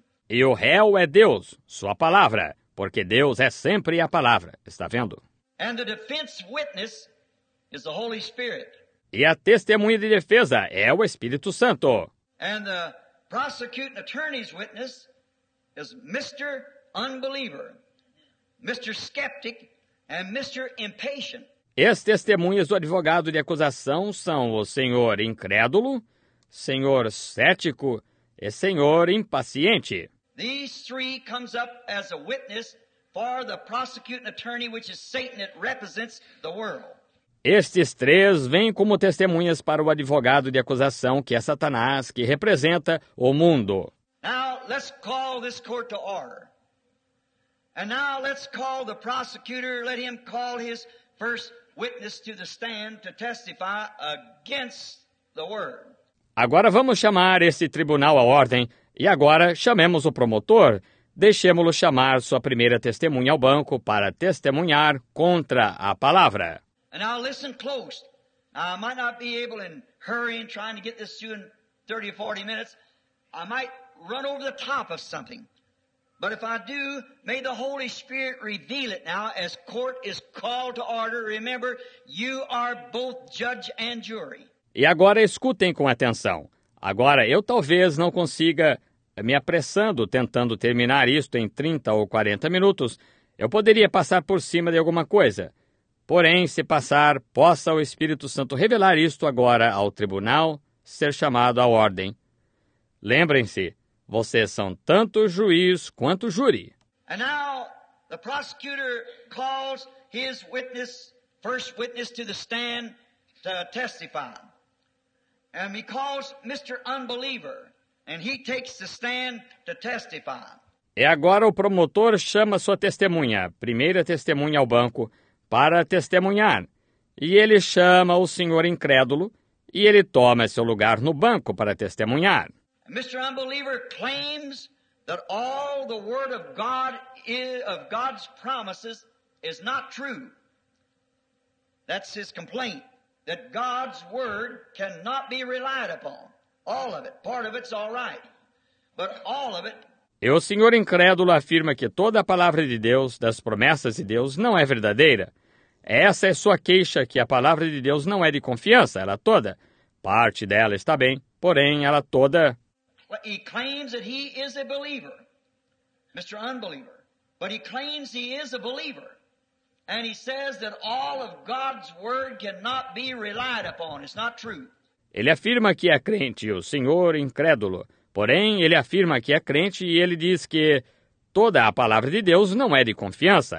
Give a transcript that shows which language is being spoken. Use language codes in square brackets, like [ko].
[pt] E o réu é Deus, sua palavra, porque Deus é sempre a palavra. Está vendo? [en] And the defense witness is the Holy Spirit. [pt] E a testemunha de defesa é o Espírito Santo. [en] And the prosecuting attorney's witness is Mr. Unbeliever, Mr. Skeptic, and Mr. Impatient. [pt] As testemunhas do advogado de acusação são o senhor incrédulo, senhor cético e senhor impaciente. [en] These three comes up as a witness for the prosecuting attorney, which is Satan, that represents the world. [pt] Estes três vêm como testemunhas para o advogado de acusação, que é Satanás, que representa o mundo. [en] Now, let's call this court to order. And now, let's call the prosecutor, let him call his first witness to the stand to testify against the word. [pt] Agora vamos chamar esse tribunal à ordem. E agora, chamemos o promotor. Deixemo-lo chamar sua primeira testemunha ao banco para testemunhar contra a palavra. [en] And now listen close. Now, I might not be able in hurrying trying to get this through in 30 or 40 minutes. I might run over the top of something. But if I do, may the Holy Spirit reveal it now as court is called to order. Remember, you are both judge and jury. [pt] E agora escutem com atenção. Agora eu talvez não consiga, me apressando, tentando terminar isto em 30 ou 40 minutos, eu poderia passar por cima de alguma coisa. Porém, se passar, possa o Espírito Santo revelar isto agora ao tribunal, ser chamado à ordem. Lembrem-se, vocês são tanto juiz quanto júri. [en] And now, the prosecutor calls his witness, first witness to the stand to testify. And he calls Mr. Unbeliever, and he takes the stand to testify. [pt] E agora o promotor chama sua testemunha, primeira testemunha ao banco, para testemunhar. E ele chama o senhor incrédulo e ele toma seu lugar no banco para testemunhar. [en] Mr. Unbeliever claims that all the word of God is, of God's promises is not true. That's his complaint, that God's word cannot be relied upon. All of it, part of it's all right, but all of it. [pt] E o senhor incrédulo afirma que toda a palavra de Deus, das promessas de Deus, não é verdadeira. Essa é sua queixa, que a palavra de Deus não é de confiança, ela toda. Parte dela está bem, porém ela toda... [en] He claims that he is a believer, Mr. Unbeliever. But he claims he is a believer. And he says that all of God's word cannot be relied upon. It's not true. [pt] Ele afirma que é crente, o senhor incrédulo. Porém, ele afirma que é crente e ele diz que toda a palavra de Deus não é de confiança.